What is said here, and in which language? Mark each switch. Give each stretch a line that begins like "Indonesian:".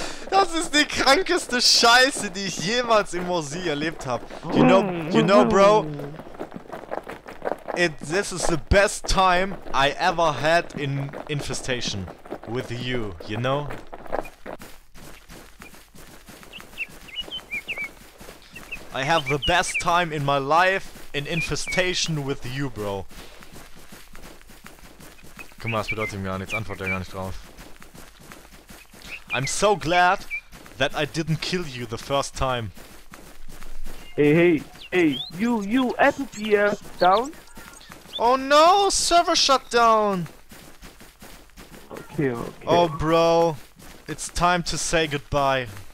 German: Das ist die krankeste Scheiße, die ich jemals im Mosi erlebt habe.
English: You know, bro? This is the best time I ever had in Infestation with you, you know? I have the best time in my life in Infestation with you, bro.
German: Guck mal, das bedeutet ihm gar nichts, antwortet er gar nicht drauf.
English: I'm so glad that I didn't kill you the first time. Hey, hey, hey, you FPS down? Oh no! Server shut down! Okay, okay. Oh bro, it's time to say goodbye.